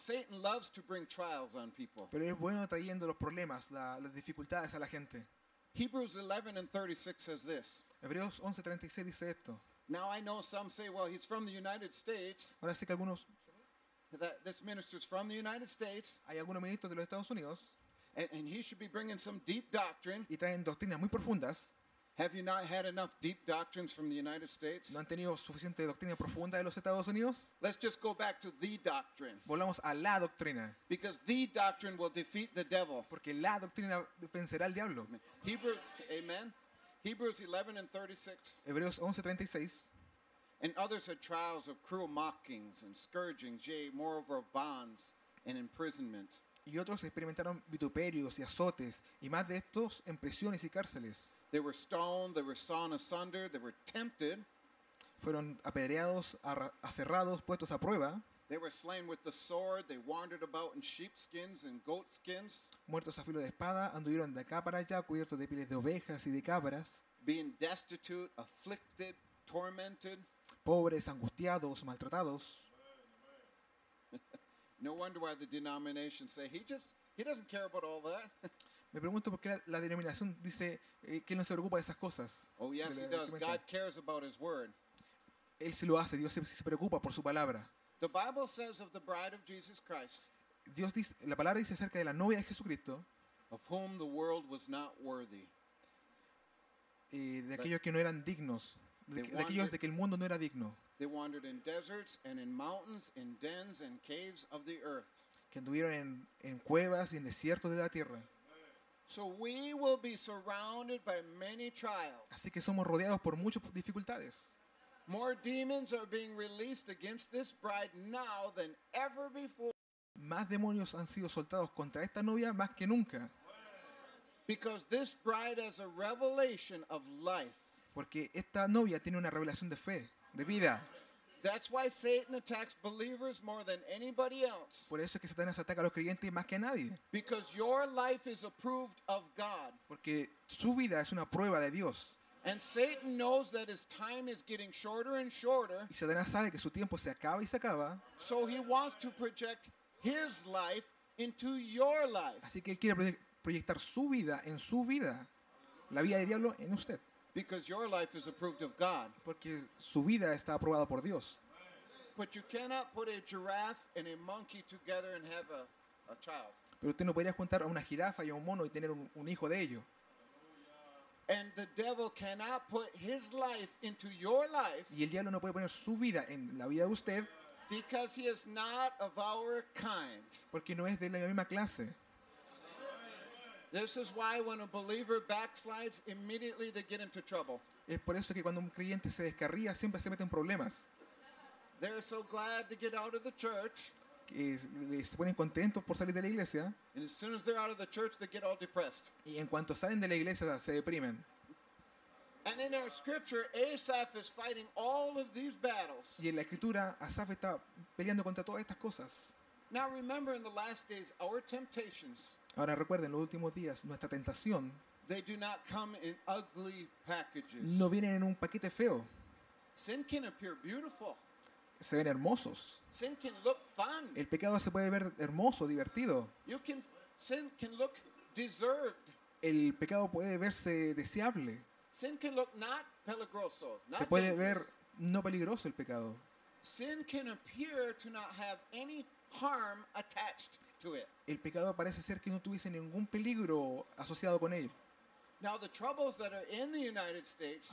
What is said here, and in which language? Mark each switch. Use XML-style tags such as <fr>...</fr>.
<en>Satan loves to bring trials on people.</en> <es>Pero es bueno trayendo los problemas, las dificultades a la gente.</es> <en>Hebrews 11:36 says this.</en> <es>Hebreos 11:36 dice esto.</es> <en>Now I know some say, "Well, he's from the United States."</en> <es>Ahora sé que algunos,</es> <en>that this minister is from the United States.</en> <es>Hay algunos ministros de los Estados Unidos.</es> <en>And he should be bringing some deep doctrine.</en> <es>Y traen doctrinas muy profundas.</es> <en>Have you not had enough deep doctrines from the United States?</en> <es>¿No han tenido suficiente doctrina profunda de los Estados Unidos?</es> <en>Let's just go back to the doctrine.</en> <es>Volvamos a la doctrina.</es> <en>Because the doctrine will defeat the devil.</en> <es>Porque la doctrina vencerá al diablo.</es> <en>Hebrews, amen. Hebrews 11:36.</en> <es>Hebreos 11:36.</es> <en>And others had trials of cruel mockings and scourgings, yea, moreover of bonds and imprisonment.</en> <es>Y otros experimentaron vituperios y azotes, y más de estos en prisiones y cárceles.</es> <en>They were stoned, they were sawn asunder, they were tempted.</en> <es>Fueron apedreados, aserrados, puestos a prueba.</es> <en>They were slain with the sword, they wandered about in sheepskins and goatskins.</en> <es>Muertos a filo de espada, anduvieron de acá para allá, cubiertos de pieles de ovejas y de cabras.</es> <en>Being destitute, afflicted, tormented.</en> <es>Pobres, angustiados, maltratados.</es> <en>No wonder why the denomination say he doesn't care about all that.</en> <es>Me pregunto por qué la denominación dice que él no se preocupa de esas cosas.</es> <en>Oh yes, he does. God cares about his word.</en> <es>Él sí lo hace, Dios se preocupa por su palabra.</es> <en>The Bible says of the bride of Jesus Christ.</en> <es>Dios dice, la palabra dice acerca de la novia de Jesucristo,</es> <en>of whom the world was not worthy,</en> <es>y de aquellos que no eran dignos, de aquellos de que el mundo no era digno.</es> <en>They wandered in deserts and in mountains, in dens and caves of the earth.</en> <es>Que anduvieron en cuevas y en desiertos de la tierra.</es> <en>So we will be surrounded by many trials.</en> <es>Así que somos rodeados por muchas dificultades.</es> <en>More demons are being released against this bride now than ever before.</en> <es>Más demonios han sido soltados contra esta novia más que nunca.</es> <en>Because this bride has a revelation of life.</en> <es>Porque esta novia tiene una revelación de fe, de vida.</es> <en>That's why Satan attacks believers more than anybody else.</en> <es>Por eso es que Satanás ataca a los creyentes más que a nadie.</es> <en>Because your life is approved of God.</en> <es>Porque su vida es una prueba de Dios.</es> <en>And Satan knows that his time is getting shorter and shorter.</en> <es>Y Satanás sabe que su tiempo se acaba y se acaba.</es> <en>So he wants to project his life into your life.</en> <es>Así que él quiere proyectar su vida en su vida. La vida del diablo en usted.</es> <en>Because your life is approved of God.</en> <es>Porque su vida está aprobada por Dios.</es> <en>But you cannot put a giraffe and a monkey together and have a child.</en> <es>Pero usted no podría juntar a una jirafa y a un mono y tener un hijo de ello.</es> <en>And the devil cannot put his life into your life.</en> <es>Y el diablo no puede poner su vida en la vida de usted.</es> <en>Because he is not of our kind.</en> <es>Porque no es de la misma clase.</es> <en>This is why when a believer backslides, immediately they get into trouble.</en> <es>Es por eso que cuando un creyente se descarría, siempre se mete en problemas.</es> <en>They're so glad to get out of the church.</en> <es>Se ponen contentos por salir de la iglesia.</es> <en>And as soon as they're out of the church, they get all depressed.</en> <es>Y en cuanto salen de la iglesia, se deprimen.</es> <en>And in our scripture, Asaph is fighting all of these battles.</en> <es>Y en la escritura, Asaph está peleando contra todas estas cosas.</es> <en>Now remember, in the last days, our temptations.</en> <es>Ahora recuerden, en los últimos días, nuestra tentación.</es> <en>They do not come in ugly packages.</en> <es>No vienen en un paquete feo.</es> <en>Sin can appear beautiful.</en> <es>Se ven hermosos.</es> <en>Sin can look fun.</en> <es>El pecado se puede ver hermoso, divertido.</es> <en>You can, sin can look deserved.</en> <es>El pecado puede verse deseable.</es> <en>Sin can look not</en> <es>peligroso,</es> <en>not</en> <es>se puede</es> <en>dangerous.</en> <es>Ver no peligroso el pecado.</es> <en>Sin can appear to not have any harm attached to it.</en> <es>El pecado parece ser que no tuviese ningún peligro asociado con él.</es> <en>Now the troubles that are in the United States.</en>